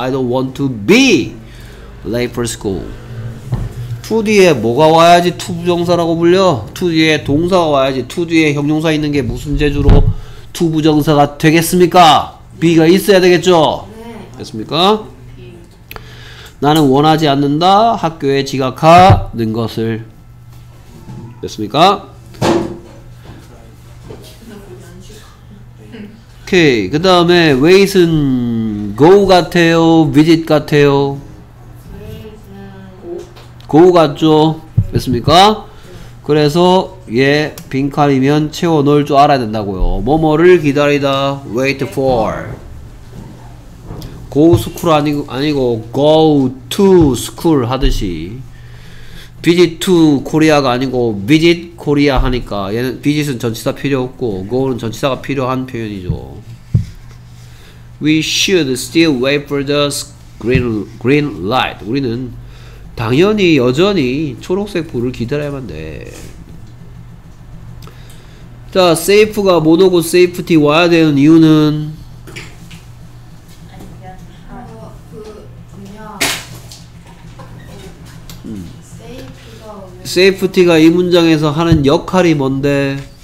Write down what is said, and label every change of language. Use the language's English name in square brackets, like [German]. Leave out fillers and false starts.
[English] I don't want to be late for school. [Korean] to 뒤에 뭐가 와야지 to 부정사라고 불려? to 뒤에 동사가 와야지 to 뒤에 형용사 있는 게 무슨 재주로 to 부정사가 되겠습니까? be가 있어야 되겠죠? 됐습니까? 나는 원하지 않는다. 학교에 지각하는 것을. 됐습니까? 오케이. 그 다음에 wait은 go 같아요? visit 같아요? go 같죠? 됐습니까? 그래서 얘 빈칸이면 채워넣을 줄 알아야 된다고요. 뭐뭐를 기다리다. wait for. go school 아니고 go to school 하듯이 visit to Korea가 아니고 visit Korea 하니까 얘는 visit은 전치사 필요 없고 go는 전치사가 필요한 표현이죠. [English] We should still wait for the green light. [Korean] 우리는 당연히 여전히 초록색 불을 기다려야만 돼. 자, safe가 못 오고 safety 와야 되는 이유는 세이프티가 이 문장에서 하는 역할이 뭔데?